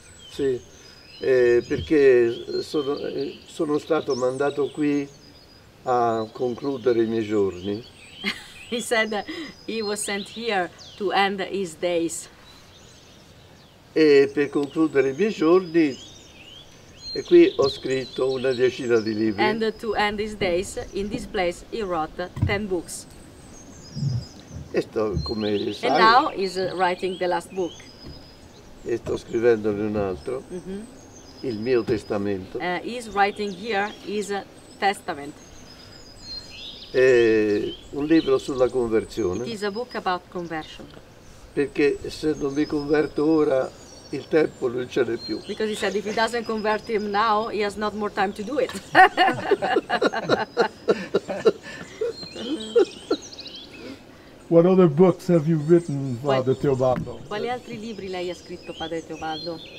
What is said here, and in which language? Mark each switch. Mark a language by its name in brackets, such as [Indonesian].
[Italian] Sì, perché sono stato mandato qui a concludere i miei giorni. [English] He said he was sent here to end his days. [Italian] E per concludere i miei giorni, e qui ho scritto una decina di libri. [English] And to end his days, in this place he wrote 10 books. [Italian] E sto, come sai, [English] and now he's writing the last book. [Italian] E sto scrivendone un altro, il mio testamento. [English] He's writing here his testament. [Italian] È un libro sulla conversione. [English] It is a book about conversion. [Italian] Perché se non mi converto ora, il tempo non ce n'è più. [English] Because he said if he doesn't convert him now, he has not more time to do it. What other books have you written, Padre Teobaldo? [Italian] Quali altri libri lei ha scritto, Padre Teobaldo?